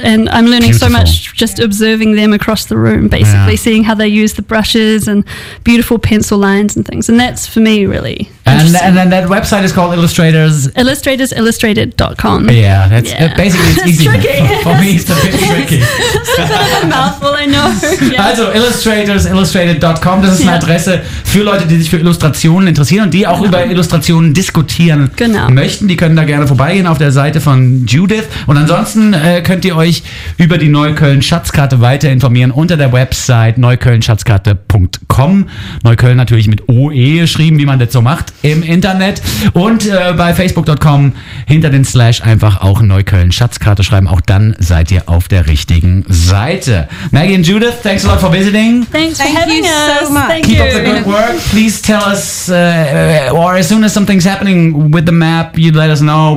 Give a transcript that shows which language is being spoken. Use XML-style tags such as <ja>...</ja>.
<en>And I'm learning so much just observing them across the room, basically seeing how they use the brushes and beautiful pencil lines and things. And that's, for me, really interesting. And then that website is called Illustrators. Illustratorsillustrated.com. Yeah. That's basically, it's easy. For me, it's a bit tricky. It's a bit of a mouthful, I know.</en> <de>Also, illustratorsillustrated.com, das ist eine Adresse für Leute, die sich für Illustrationen interessieren und die auch über Illustrationen diskutieren möchten. Die können da gerne vorbeigehen auf der Seite von Judith. Und ansonsten könnt ihr euch über die Neukölln-Schatzkarte weiter informieren unter der Website neuköllnschatzkarte.com. Neukölln natürlich mit OE geschrieben, wie man das so macht im Internet. Und bei facebook.com hinter den Slash einfach auch Neukölln-Schatzkarte schreiben. Auch dann seid ihr auf der richtigen Seite.</de> <en>Maggie and Judith, thanks a lot for visiting. Thank you so much. Keep up the good work. Please tell us, or as soon as something's happening with the map, you let us know.</en>